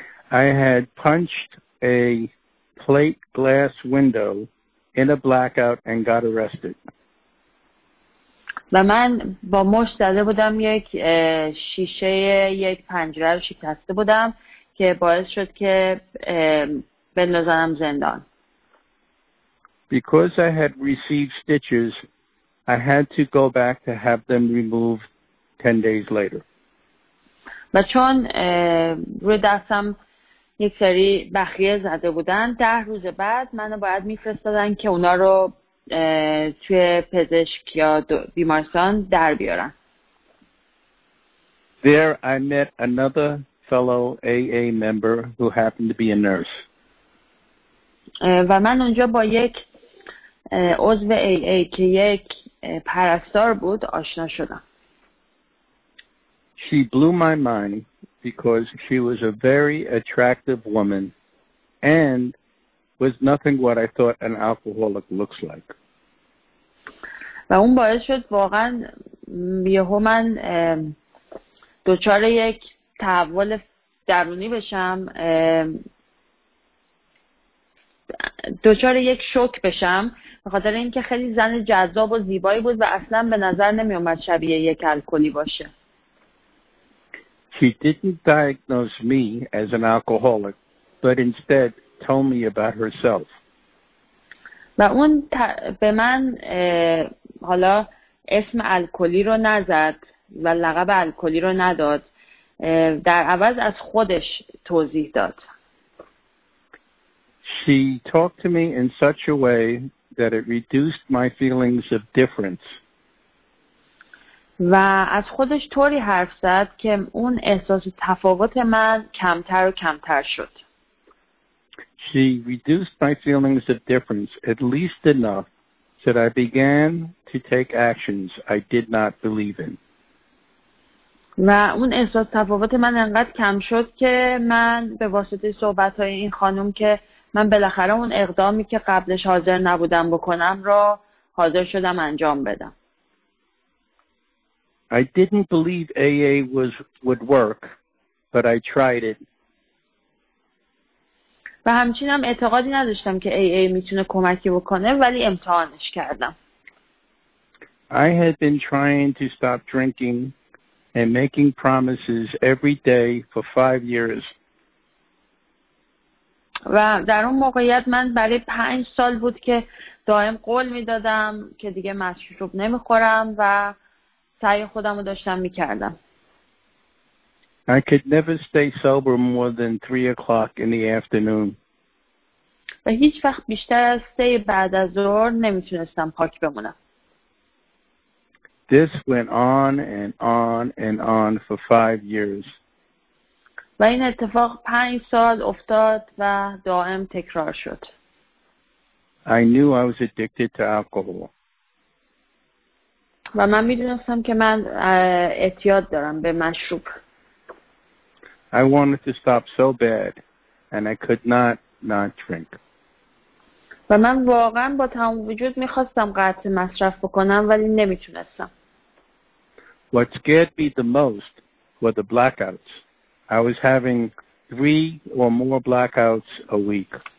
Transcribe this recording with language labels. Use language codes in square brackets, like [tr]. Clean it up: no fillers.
[en] I had punched a plate glass window in a blackout and got arrested. [fa] و من با مشت زده بودم یک شیشه یک پنجره رو شکسته بودم که باعث شد که بندازنم زندان. [en] Because I had received stitches, I had to go back to have them removed 10 days later. [fa] و چون روی دستم یک سری بخیه زده بودن، 10 روز بعد منو باید میفرستادن که اونا رو توی پزشک یا بیمارستان در بیارن. [en] There I met another fellow AA member who happened to be a nurse. [fa] و من اونجا با یک عضو AA که یک پرستار بود آشنا شدم. [en] She blew my mind because she was a very attractive woman and was nothing what I thought an alcoholic looks like. [fa] و اون باعث شد واقعا یهو من دچار یک تحول درونی بشم، دچار یک شوک بشم، به خاطر اینکه خیلی زن جذاب و زیبایی بود و اصلا به نظر نمی اومد شبیه یک الکلی باشه. [en] She didn't diagnose me as an alcoholic, but instead told me about herself. [fa] و اون به من حالا اسم الکلی رو نزد و لقب الکلی رو نداد، در عوض از خودش توضیح داد. [en] She talked to me in such a way that it reduced my feelings of difference. [fa] و از خودش طوری حرف زد که اون احساس تفاوت من کمتر و کمتر شد. [en] She reduced my feelings of difference at least enough that I began to take actions I did not believe in. [fa] و اون احساس تفاوت من انقدر کم شد که من به واسطه صحبت‌های این خانم که من بالاخره اون اقدامی که قبلش حاضر نبودم بکنم را حاضر شدم انجام بدم. [en] I didn't believe AA was would work, but I tried it. [fa] و همچنینم اعتقادی نداشتم که AA میتونه کمکی بکنه، ولی امتحانش کردم. [en] I had been trying to stop drinking and making promises every day for 5 years. [fa] و در اون موقعیت من برای 5 سال بود که دائم قول میدادم که دیگه مشروب نمیخورم و سعی خودم رو داشتم میکردم. [en] I could never stay sober more than 3 o'clock in the afternoon. [fa] و هیچ وقت بیشتر از 3 بعد از ظهر نمیتونستم پاک بمونم. [en] This went on and on and on for 5 years. [fa] و این اتفاق 5 سال افتاد و دائم تکرار شد. [en] I knew I was addicted to alcohol. [fa] و من میدونستم که من اعتیاد دارم به مشروب. [en] I wanted to stop so bad and I could not drink. [fa] و من واقعا با تمام وجود میخواستم قطع مصرف بکنم ولی نمیتونستم. [en] What scared me the most were the blackouts. I was having 3 or more blackouts a week.